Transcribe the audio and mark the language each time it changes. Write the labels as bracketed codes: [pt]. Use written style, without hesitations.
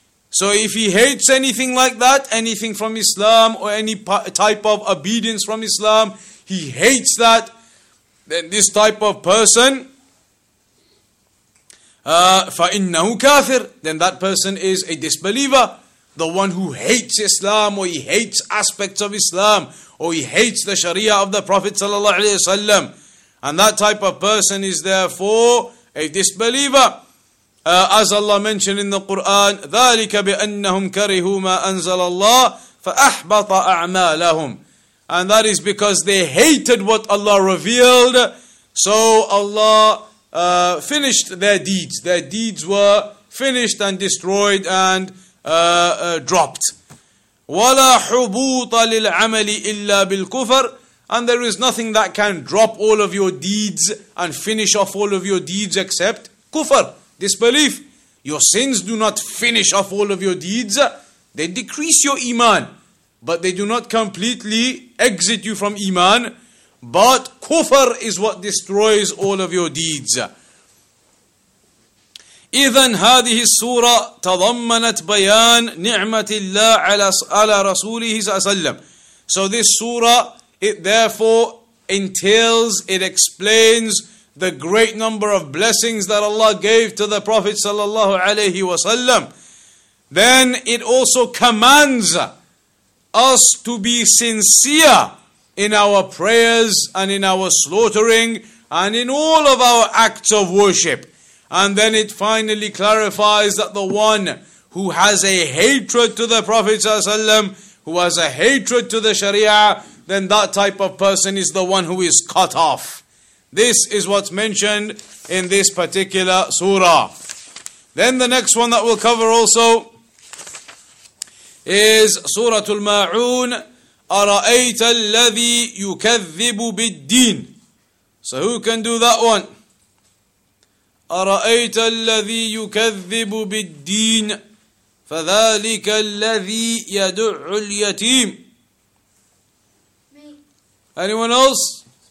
[en] So if he hates anything like that, anything from Islam, or any type of obedience from Islam, he hates that, then this type of person, [ar] فإنه كافر, [en] then that person is a disbeliever. The one who hates Islam, or he hates aspects of Islam, or he hates the sharia of the Prophet sallallahu alaihi wasallam, and that type of person is therefore a disbeliever. As Allah mentioned in the Quran, [ar] ذَلِكَ بِأَنَّهُمْ كَرِهُوا مَا أَنزَلَ اللَّهِ فَأَحْبَطَ أَعْمَالَهُمْ. [en] And that is because they hated what Allah revealed, so Allah finished their deeds. Their deeds were finished and destroyed and dropped. [ar] وَلَا حُبُوطَ لِلْعَمَلِ إِلَّا بِالْكُفَرِ. [en] And there is nothing that can drop all of your deeds and finish off all of your deeds except kufr, disbelief. Your sins do not finish off all of your deeds. They decrease your iman, but they do not completely exit you from iman. But kufr is what destroys all of your deeds. [ar] إذن هذه السورة تضمنت بيان نعمة الله على رسوله صلى الله عليه وسلم. [en] So this surah, it therefore entails, it explains the great number of blessings that Allah gave to the Prophet sallallahu alayhi wa sallam. Then it also commands us to be sincere in our prayers and in our slaughtering and in all of our acts of worship. And then it finally clarifies that the one who has a hatred to the Prophet sallallahu alayhi wa sallam, who has a hatred to the Sharia, then that type of person is the one who is cut off. This is what's mentioned in this particular surah. Then the next one that we'll cover also is Surah Al-Ma'un, [ar] أَرَأَيْتَ الَّذِي يُكَذِّبُ بِالدِّينِ. [en] So who can do that one? [ar] أَرَأَيْتَ الَّذِي يُكَذِّبُ بِالدِّينِ فذلك الذي يدع اليتيم. [en] Anyone else?